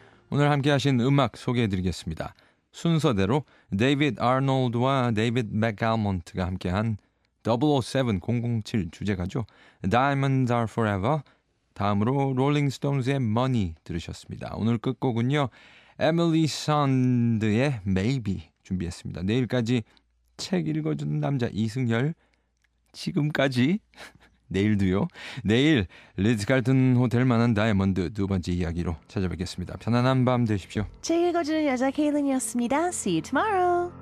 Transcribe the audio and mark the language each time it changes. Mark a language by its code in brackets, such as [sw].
[ko] 오늘 함께하신 음악 소개해드리겠습니다. 순서대로 데이비드 아놀드와 데이비드 맥알몬트가 함께한 007 주제가죠. Diamonds are forever. 다음으로 Rolling Stones의 Money 들으셨습니다. 오늘 끝곡은요. Emily Sand의 Maybe 준비했습니다. 내일까지 책 읽어주는 남자 이승열. 지금까지. 내일도요. 내일 리츠칼튼 호텔만한 다이아몬드 두 번째 이야기로 찾아뵙겠습니다. 편안한 밤 되십시오. 책 읽어주는 여자 케일린이었습니다. [en] See you tomorrow.